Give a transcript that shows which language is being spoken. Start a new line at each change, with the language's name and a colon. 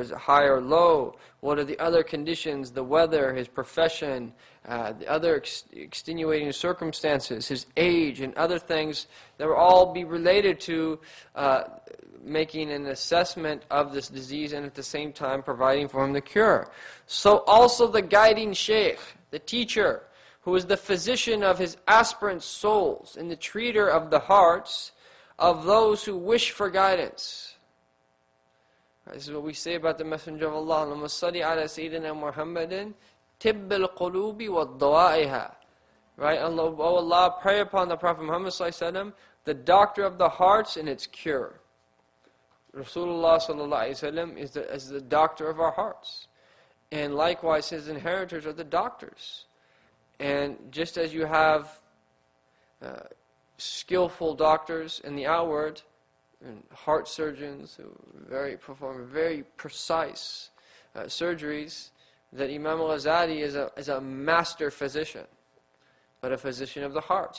English: Is it high or low? What are the other conditions, the weather, his profession, the other extenuating circumstances, his age, and other things that will all be related to making an assessment of this disease and at the same time providing for him the cure. So also the guiding sheikh, the teacher, who is the physician of his aspirant souls and the treater of the hearts of those who wish for guidance. This is what we say about the Messenger of Allah.
Arabic: اللهم صل على سيدنا محمد طب القلوب والدوائها.
English: Right? Allah, pray upon the Prophet Muhammad sallallahu alaihi wasallam, the doctor of the hearts and its cure. Rasulullah sallallahu alaihi wasallam is the doctor of our hearts. And likewise, his inheritors are the doctors. And just as you have skillful doctors in the outward, and heart surgeons who perform very precise surgeries, that Imam al-Ghazali is a master physician, but a physician of the hearts.